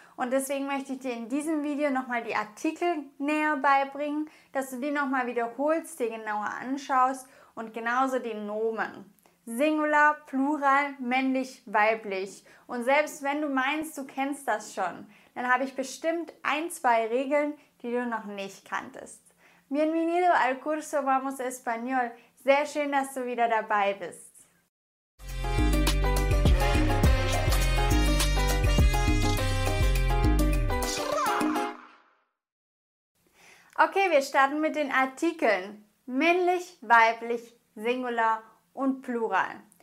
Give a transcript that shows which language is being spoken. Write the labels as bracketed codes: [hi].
[de] Und deswegen möchte ich dir in diesem Video nochmal die Artikel näher beibringen, dass du die nochmal wiederholst, dir genauer anschaust und genauso die Nomen. Singular, Plural, männlich, weiblich. Und selbst wenn du meinst, du kennst das schon, dann habe ich bestimmt 1, 2 Regeln, die du noch nicht kanntest. [es] Bienvenido al curso Vamos Español. [de] Sehr schön, dass du wieder dabei bist. Okay, wir starten mit den Artikeln. Männlich, weiblich, Singular und Plural.